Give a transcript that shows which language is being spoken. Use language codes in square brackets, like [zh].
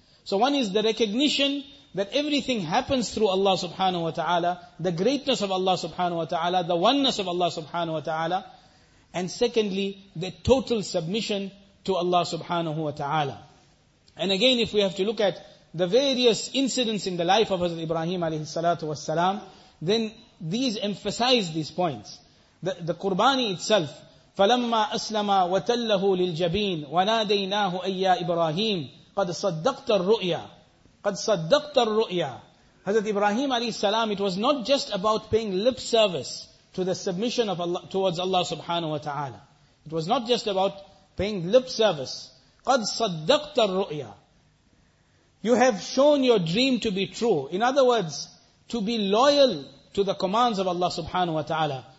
[en] So one is the recognition that everything happens through Allah subhanahu wa ta'ala, the greatness of Allah subhanahu wa ta'ala, the oneness of Allah subhanahu wa ta'ala. And secondly, the total submission to Allah subhanahu wa ta'ala. And again, if we have to look at the various incidents in the life of Hazrat Ibrahim alayhi salatu wasalam, then these emphasize these points. The Qurbani itself, [ar] فَلَمَّا أَسْلَمَا وَتَلَّهُ لِلْجَبِينَ وَنَادَيْنَاهُ أَيَّا إِبْرَاهِيمُ قَدْ صَدَّقْتَ الرُّؤْيَا قَدْ صَدَّقْتَ الرُّؤْيَا. [en] Hazrat Ibrahim alayhi salam, it was not just about paying lip service to the submission of Allah, towards Allah subhanahu wa ta'ala. It was not just about paying lip service. [ar] قَدْ صَدَّقْتَ الرُّؤْيَا. [en] You have shown your dream to be true. In other words, to be loyal to the commands of Allah subhanahu wa ta'ala.